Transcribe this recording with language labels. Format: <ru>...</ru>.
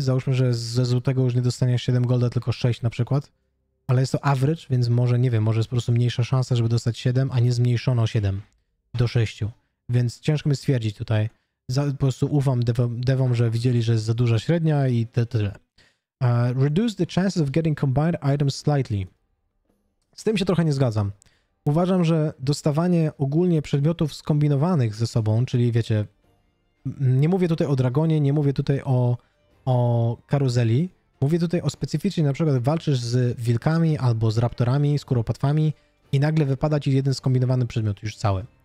<pl>Załóżmy, że ze złotego już nie dostaniesz 7 golda, tylko 6 na przykład. Ale jest to average, więc może, nie wiem, może jest po prostu mniejsza szansa, żeby dostać 7, a nie zmniejszono 7 do 6. Więc ciężko mi stwierdzić tutaj. Po prostu ufam devom, że widzieli, że jest za duża średnia i tyle.</pl> <en>Reduce the chances of getting combined items slightly.</en> <pl>Z tym się trochę nie zgadzam. Uważam, że dostawanie ogólnie przedmiotów skombinowanych ze sobą, czyli wiecie, nie mówię tutaj o dragonie, nie mówię tutaj o karuzeli. Mówię tutaj o specyficznie, na przykład walczysz z wilkami albo z raptorami, z kuropatwami i nagle wypada ci jeden skombinowany przedmiot już cały.</pl>